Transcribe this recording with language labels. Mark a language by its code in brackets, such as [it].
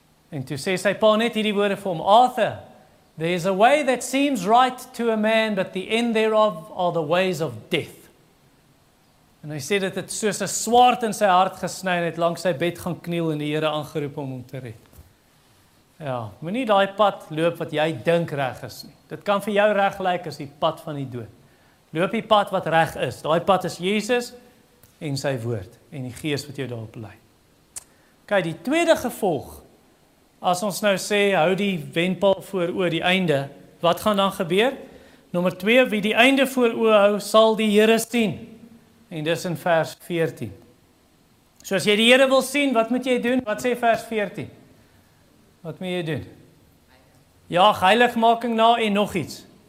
[af] En toe sê sy pa net hierdie woorde vir hom, [en] Arthur, there is a way that seems right to a man, but the end thereof are the ways of death. [af] En hy sê dat het soos 'n swaard in sy hart gesny en het langs sy bed gaan kniel en die Here aangeroep om hom te red. Ja, moet nie die pad loop wat jy dink reg is nie. Dit kan vir jou reg lyk as die pad van die dood. Loop die pad wat reg is. Daai pad is Jesus en sy woord en die gees wat jou daarop lei. Kyk, die tweede gevolg, as ons nou sê, hou die wenpaal voor oor die einde, wat gaan dan gebeur? Nommer 2, wie die einde voor oor hou, sal die Here sien. En dis in vers 14. So as jy die Here wil sien, wat moet jy doen? Wat sê vers 14? Wat moet jy doen? Ja, heiligmaking na en nog iets.